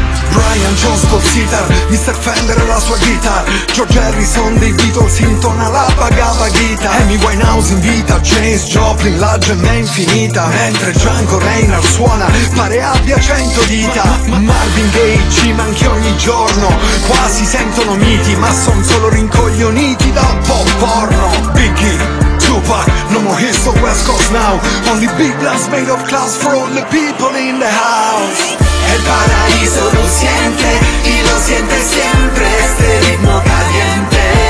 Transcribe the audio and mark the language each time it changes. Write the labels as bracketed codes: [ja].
[it] Brian Jones col sitar, Mr. Fender e la sua guitar, George Harrison dei Beatles intona la Bhagavad Gita, Amy Winehouse in vita, James Joplin la gemma infinita, mentre Django Reinhardt suona pare abbia 100 dita. Marvin Gaye ci manchi ogni giorno, quasi sentono miti, ma son solo rincoglioniti da pop porno. [en] Biggie, Tupac, no more hits the West Coast now, only big blasts made of class for all the people in the house. [es] El paraíso lo siente y lo siente siempre este ritmo caliente.